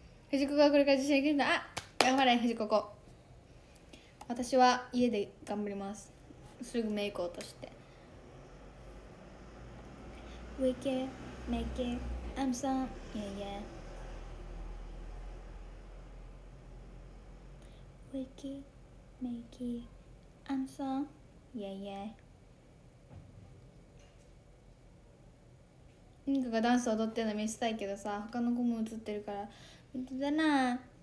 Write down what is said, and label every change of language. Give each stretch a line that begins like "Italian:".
Japanese: 藤子がこれから自信がいるんだ。あ、頑張れ藤子子。私は家で頑張ります、すぐメイク落として。
English: We can make it I'm so yeah yeah We can make it I'm so yeah yeah。
Japanese: リンカがダンス踊ってるの見せたいけどさ、他の子も映ってるから本当だな。